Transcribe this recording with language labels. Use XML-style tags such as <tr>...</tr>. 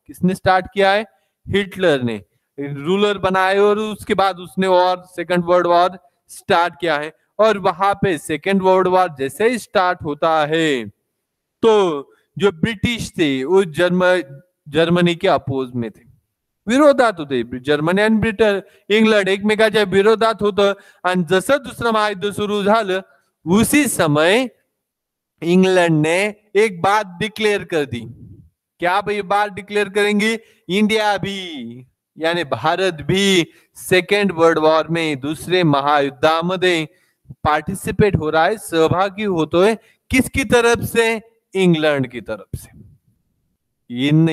<hi>किसने स्टार्ट किया है, हिटलर ने रूलर बनाया, और उसके बाद उसने और सेकंड वर्ल्ड वॉर स्टार्ट किया है। और वहां पे सेकंड वर्ल्ड वॉर जैसे ही स्टार्ट होता है, तो जो ब्रिटिश थे वो जर्मनी के अपोज में थे,</hi> <mr>विरोधात होते। जर्मनी एंड ब्रिटन इंग्लंड एकमेकाच्या विरोधात होतं, आणि जसं दुसरं महायुद्ध सुरू झालं</mr> <hi>उसी समय इंग्लंडने एक बात डिक्लेअर कर दी। क्या भाई बात डिक्लेअर करेंगे, इंडिया भी यानी भारत भी सेकंड वर्ल्ड वॉर में दूसरे महायुद्धामध्ये पार्टिसिपेट हो रहा है,</hi> <mr>सहभागी होतोय।</mr> <hi>किसकी तरफ से, इंग्लंड की तरफ से।</hi>